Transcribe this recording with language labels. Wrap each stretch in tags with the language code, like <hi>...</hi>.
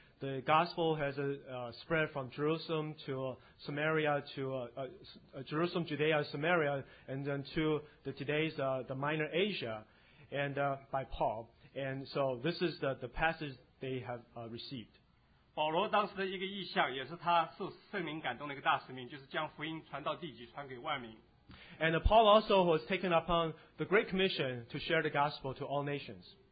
<en>The gospel has spread from Jerusalem to Samaria to Jerusalem, Judea, Samaria, and then to the today's the Minor Asia, and by Paul. And so this is the passage they have received.</en> <zh>保罗当时的一个意向，也是他受圣灵感动的一个大使命，就是将福音传到地极，传给万民。</zh> <en>And Paul also was taken upon the great commission to share the gospel to all nations.</en>